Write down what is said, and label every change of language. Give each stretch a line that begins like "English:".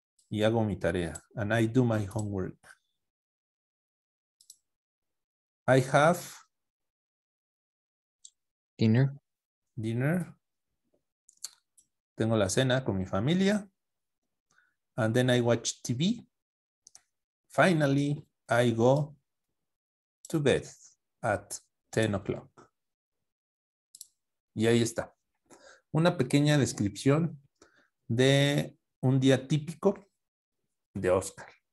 Spanish: Y hago mi tarea.
English: And I do my homework. I have Dinner. dinner.
Spanish: Tengo la cena con mi familia.
English: And then I watch TV. Finally, I go to bed at 10 o'clock.
Spanish: Y ahí está. Una pequeña descripción de un día típico de Oscar.